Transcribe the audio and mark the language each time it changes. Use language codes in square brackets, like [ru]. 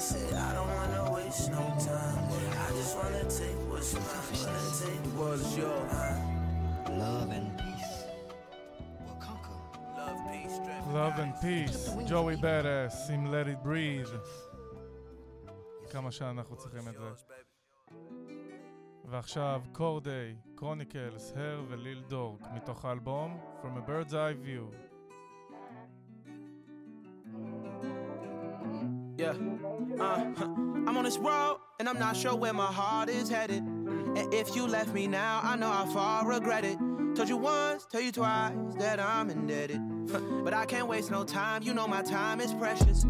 [en] Said I don't wanna waste no time. I just wanna take what's mine. Gonna take what's mine. Love and [he] Love and Peace, ג'וי בדאס, עם Let It Breathe. כמה שאנחנו צריכים את זה. ועכשיו, קורדי, קרוניקלס, הר וליל דורק, מתוך האלבום, From a Bird's Eye View. [en] I'm on this road, and I'm not sure where my heart is headed. And if you left me now, I know how far I regret it. Told you once, tell you twice, that I'm indebted. But I can't waste no time, you know my time is precious.